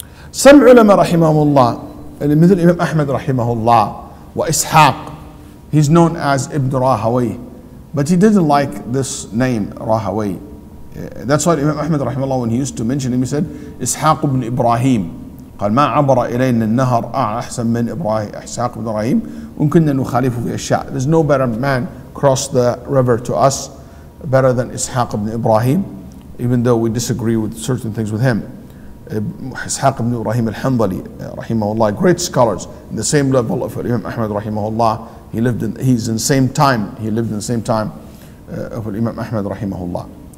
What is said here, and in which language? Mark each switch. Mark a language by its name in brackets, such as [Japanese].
[English] Some ulama rahimahullah, مثل Imam Ahmad rahimahullah, wa Ishaq, he's known as Ibn Rahawi, but he didn't like this name, Rahawi. That's why Imam Ahmad rahimahullah, when he used to mention him, he said, Ishaq ibn Ibrahim. [Arabic] قال ما عبر إلينا النهر أحسن من إبراهيم إسحاق بن إبراهيم وكنا نخالفه في أشياء. [English] There's no better man cross the river to us better than إسحاق بن إبراهيم, even though we disagree with certain things with him. إسحاق بن إبراهيم الحنظلي رحمه الله, great scholars in the same level of Imam Ahmad رحمه الله. He lived in the same time of Imam Ahmad رحمه الله.